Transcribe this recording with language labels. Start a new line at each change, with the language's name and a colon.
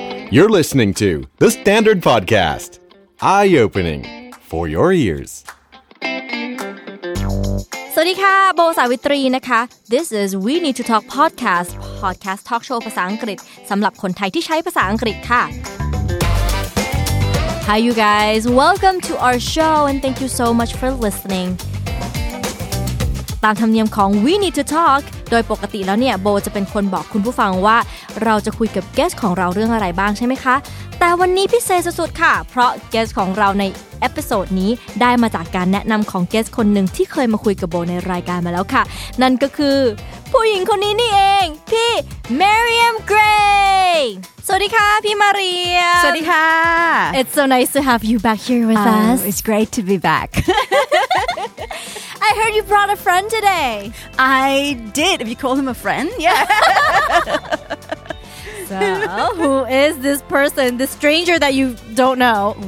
English: You're listening to The Standard Podcast. Eye-opening for your ears.
Thai: สวัสดีค่ะโบสาวิตรีนะคะ
English: This is We Need to Talk Podcast.
Thai: Podcast Talk Show ภาษาอังกฤษสำหรับคนไทยที่ใช้ภาษาอังกฤษค่ะ
English: Hi you guys.
Thai: Welcome to our show and thank you so much for listening. ตามธรรมเนียมของ We Need to Talk โดยปกติแล้วเนี่ยโบจะเป็นคนบอกคุณผู้ฟังว่าเราจะคุยกับเกสของเราเรื่องอะไรบ้างใช่ไหมคะแต่วันนี้พิเศษสุดๆค่ะเพราะเกสของเราในเอพิโซดนี้ได้มาจากการแนะนำของเกสคนหนึ่งที่เคยมาคุยกับโบในรายการมาแล้วค่ะนั่นก็คือผู้หญิงคนนี้นี่เองพี่ Maryam Gray สวัสดีค่ะพี่มาเรีย สวัสดีค่ะ
English: It's so nice to have you back here with us It's great to be back I heard you brought a friend today. I did. If you call him a friend, yeah. So, who is this person, this stranger that you don't know?